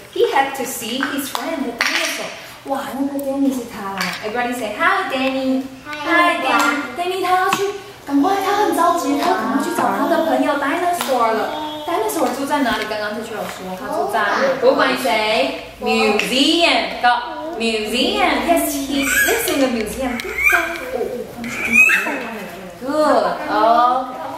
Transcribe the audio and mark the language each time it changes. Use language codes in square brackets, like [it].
[en] He had to see his friend, the dinosaur. [zh] 哇，那个 Danny 是他啦。 [en] Everybody say hi, Danny. Hi, Danny. [zh] Danny 他要去，赶快，他很着急，他赶快去找他的朋友 dinosaur 了。Dinosaur 住在哪里？刚刚这句有说，他住在博物馆谁 ？Museum. [en] Go. Museum. Yes, he lives in the museum. Good. Oh.